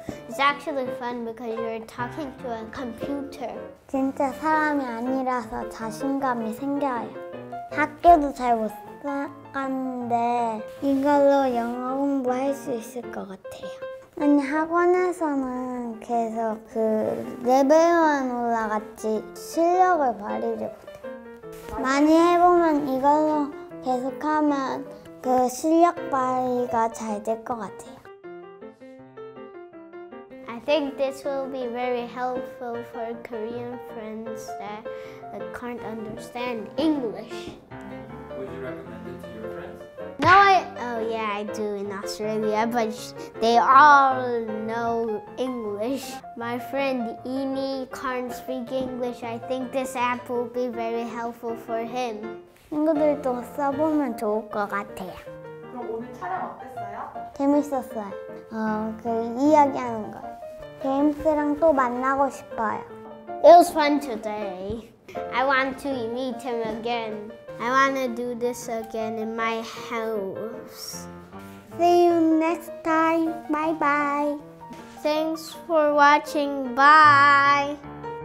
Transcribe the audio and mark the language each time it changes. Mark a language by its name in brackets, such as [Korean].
[English] It's actually fun because you're talking to a computer. [Korean] 진짜 사람이 아니라서 자신감이 생겨요. 학교도 잘 못 나갔는데 이걸로 영어 공부할 수 있을 것 같아요. 아니 학원에서는 계속 그 레벨만 올라갔지 실력을 발휘를 못해요. 많이 해보면 이걸로 계속하면 그 실력 발휘가 잘 될 것 같아요. [English] I think this will be very helpful for Korean friends that can't understand English. Would you recommend it to your friends? No, I do in Australia, but they all know English. My friend Ini can't speak English. I think this app will be very helpful for him. [Korean] 친구들도 써보면 좋을 것 같아요. 그럼 오늘 촬영 어땠어요? 재밌었어요. 그 이야기하는 거. 제임스랑 또 만나고 싶어요. [English] It was fun today. I want to meet him again. I want to do this again in my house. See you next time. Bye bye. Thanks for watching. Bye.